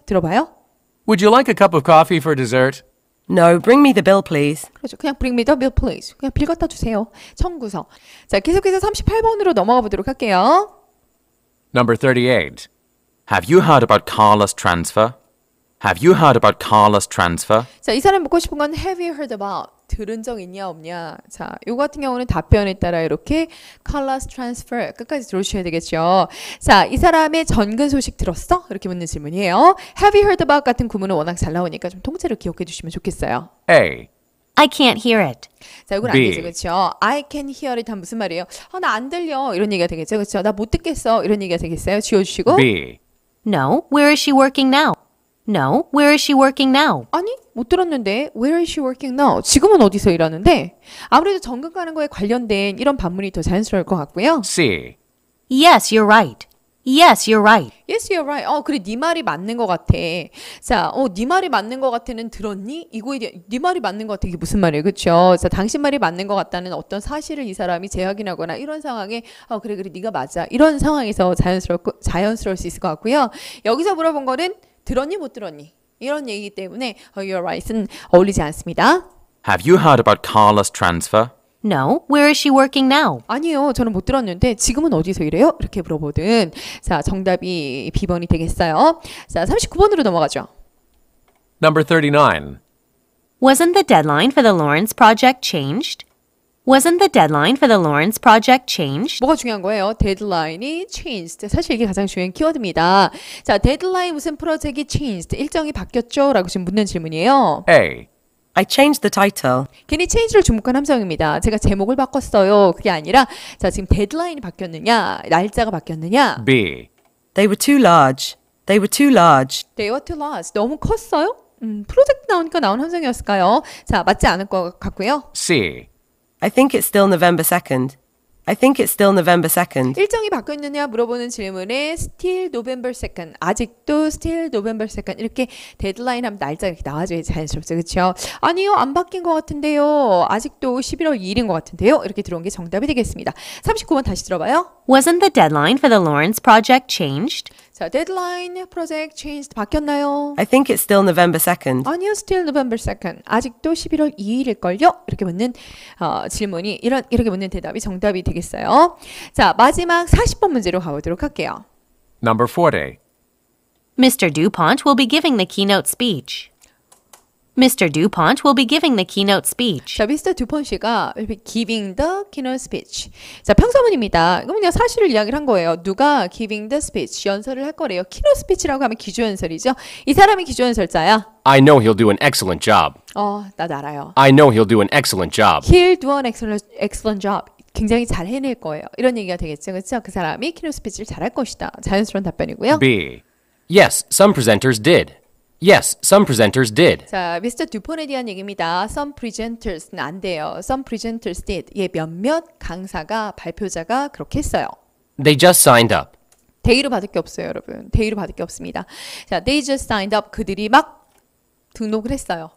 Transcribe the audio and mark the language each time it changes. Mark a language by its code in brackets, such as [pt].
[ko] 들어봐요. [en] Would you like a cup of coffee for dessert? No, bring me the bill, please. [ko] 그렇죠. 그냥 [en] bring me the bill, please. [ko] 그냥 빌 갖다 주세요. 청구서. 자, 계속해서 38번으로 넘어가 보도록 할게요. [en] Number 38. Have you heard about Carla's transfer? Have you heard about Carla's transfer? [ko] 자, 이 사람 묻고 싶은 건 [en] Have you heard about? [ko] 들은 적 있냐 없냐? 자, 요 같은 경우는 답변에 따라 이렇게 [en] Carla's transfer [ko] 끝까지 들어주셔야 되겠죠. 자, 이 사람의 전근 소식 들었어? 이렇게 묻는 질문이에요. [en] Have you heard about [ko] 같은 구문은 워낙 잘 나오니까 좀 통째로 기억해 주시면 좋겠어요. [en] A. I can't hear it. [ko] 자, 이건 아니죠, 그렇죠? [en] I can hear it [ko] 한 무슨 말이에요? 나 안 들려 이런 얘기가 되겠죠, 그렇죠? 나 못 듣겠어 이런 얘기가 되겠어요. 지워주시고. [en] B. No, where is she working now? No, where is she working now? [ko] 아니, 못 들었는데. [en] Where is she working now? [ko] 지금은 어디서 일하는데? 아무래도 전근 가는 거에 관련된 이런 반문이 더 자연스러울 것 같고요. [en] C. Yes, you're right. Yes, you're right. Yes, you're right. [ko] 그래, 네 말이 맞는 것 같아. 자, 네 말이 맞는 것 같아는 들었니? 이거에 대한, 네 말이 맞는 것 같아. 이게 무슨 말이에요? 그렇죠? 자, 당신 말이 맞는 것 같다는 어떤 사실을 이 사람이 재확인하거나 이런 상황에 그래, 네가 맞아. 이런 상황에서 자연스러울 수 있을 것 같고요. 여기서 물어본 거는 들었니 못 들었니 이런 얘기 때문에 [en] your right [ko] 은 어울리지 않습니다. [en] Have you heard about Carla's transfer? No. Where is she working now? [ko] 아니요. 저는 못 들었는데 지금은 어디서 일해요? 이렇게 물어보든. 자, 정답이 B번이 되겠어요. 자, 39번으로 넘어가죠. [en] Number 39. Wasn't the deadline for the Lawrence project changed? Wasn't the deadline for the Lawrence project changed? [ko] 뭐가 중요한 거예요? Deadline이 changed. 사실 이게 가장 중요한 키워드입니다. 자, deadline 무슨 프로젝트가 changed? 일정이 바뀌었죠? 라고 지금 묻는 질문이에요. [en] A. I changed the title. Can you change [ko] 를 주목한 함수형입니다. 제가 제목을 바꿨어요. 그게 아니라 자, 지금 데드라인이 바뀌었느냐? 날짜가 바뀌었느냐? [en] B. They were too large. They were too large. They were too large. [ko] 너무 컸어요? 프로젝트 나오니까 나온 함수형이었을까요? 자, 맞지 않을 것 같고요. [en] C. I think it's still November 2nd. I think it's still November 2nd. [ko] 일정이 바뀌었느냐 물어보는 질문에 [en] still November 2nd. [ko] 아직도 [en] still November 2nd. [ko] 이렇게 데드라인 하면 날짜가 이렇게 나와줘야 자연스럽죠. 그렇죠? 아니요. 안 바뀐 것 같은데요. 아직도 11월 2일인 것 같은데요. 이렇게 들어온 게 정답이 되겠습니다. 39번 다시 들어봐요. [en] Wasn't the deadline for the Lawrence project changed? 자, deadline project changed [ko] 바뀌었나요? [en] I think it's still November 2nd. [ko] 아니요. [en] Still November 2nd. [ko] 아직도 11월 2일일걸요? 이렇게 묻는 질문이 이렇게 묻는 대답이 정답이 되겠어요. 자, 마지막 40번 문제로 가보도록 할게요. [en] Number 40. Mr. DuPont will be giving the keynote speech. Mr. DuPont will be giving the keynote speech. 자, Mr. DuPont 씨가 will be giving the keynote speech. [ko] 자, 평서문입니다. 그럼요, 사실을 이야기를 한 거예요. 누가 [en] giving the speech, [ko] 연설을 할 거래요. keynote speech라고 하면 기조연설이죠. 이 사람이 기조연설자야. [en] I know he'll do an excellent job. [ko] 나 알아요. [en] I know he'll do an excellent job. He'll do an excellent job. [ko] 굉장히 잘 해낼 거예요. 이런 얘기가 되겠죠, 그렇죠? 그 사람이 keynote speech를 잘할 것이다. 자연스러운 답변이고요. [en] B. Yes, some presenters did. Yes, some presenters did. [ko] 자, 미스터 듀폰에 대한 얘기입니다. [en] Some presenters [ko] 는 안 돼요. [en] Some presenters did. [ko] 예, 몇몇 강사가, 발표자가 그렇게 했어요. [en] They just signed up. [ko] They로 받을 게 없어요, 여러분. They로 받을 게 없습니다. [en] 자, they just signed up. [ko] 그들이 막 등록을 했어요.